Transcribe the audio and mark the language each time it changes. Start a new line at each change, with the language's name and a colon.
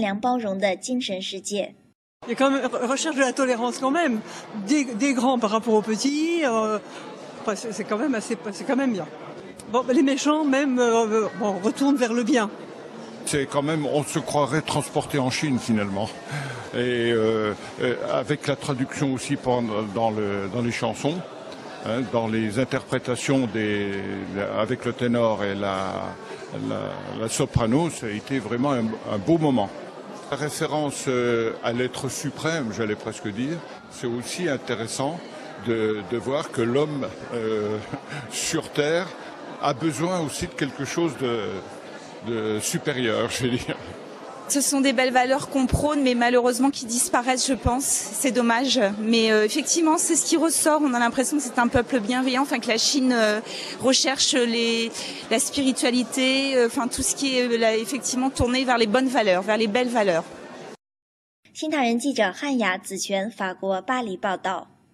Chinese: 演出的美妙引导观众进入中国传统文化和善良包容的精神世界。
French: Il y a quand même une recherche de la tolérance quand même, des grands par rapport aux petits. C'est quand même assez, c'est quand même bien. Bon, les méchants même retournent vers le bien. C'est quand même, on se croirait transporté en Chine finalement. Et avec la traduction aussi pendant, dans les chansons, hein, dans les interprétations avec le ténor et la soprano, ça a été vraiment un beau moment. La référence à l'être suprême, j'allais presque dire, c'est aussi intéressant. De voir que l'homme sur Terre a besoin aussi de quelque chose de supérieur, je veux dire. Ce sont des belles valeurs qu'on prône, mais malheureusement qui disparaissent, je pense. C'est dommage. Mais effectivement, c'est ce qui ressort. On a l'impression que c'est un peuple bienveillant, enfin que la Chine recherche la spiritualité, enfin tout ce qui est effectivement tourné vers les bonnes valeurs, vers les belles valeurs.
Chinese: 新唐人记者汉雅、子璇，法国巴黎报道。